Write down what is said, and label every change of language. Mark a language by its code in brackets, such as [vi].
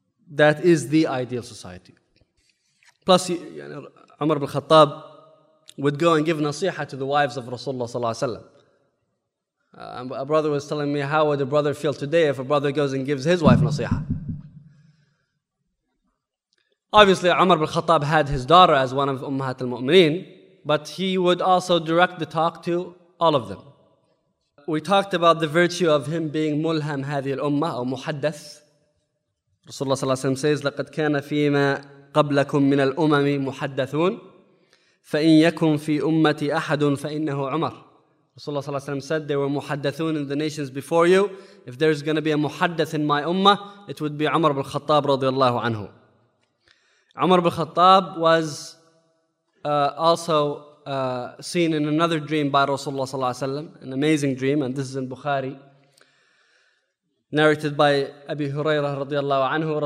[en] That is the ideal society. Plus, Umar ibn Khattab would go and give nasiha to the wives of Rasulullah sallallahu alaihi wasallam. A brother was telling me, how would a brother feel today if a brother goes and gives his wife nasiha? Obviously, Umar ibn Khattab had his daughter as one of Ummahat al-Mu'mineen, but he would also direct the talk to all of them. We talked about the virtue of him being mulham hadhi al-ummah, or muhaddath. [ar] Rasulullah sallallahu alaihi wasallam says, لَقَدْ كَانَ فِيمَا قَبْلَكُمْ مِنَ الْأُمَمِ مُحَدَّثُونَ فَإِنْ يَكُمْ فِي أُمَّتِ أَحَدٌ فَإِنَّهُ عُمَرٌ. [en] Rasulullah sallallahu alaihi wasallam said, there were muhaddathun in the nations before you. If there is going to be a muhaddath in my ummah, it would be Umar ibn Khattab radiallahu anhu. Umar ibn Khattab was also seen in another dream by Rasulullah sallallahu alaihi wasallam, an amazing dream, and this is in Bukhari, narrated by Abi Hurairah radiallahu anhu.